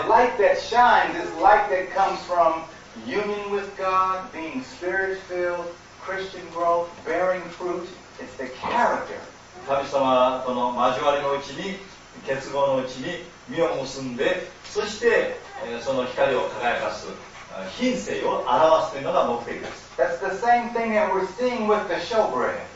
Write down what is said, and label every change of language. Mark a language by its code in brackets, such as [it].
[en] The light that shines is light that comes from union with God, being spirit-filled, Christian growth, bearing fruit. It's the character. [ja] 神様はこの交わりのうちに結合のうちに身を結んで、そしてその光を輝かす品性を表すというのが目的です。 [en] That's the same thing that we're seeing with the showbread.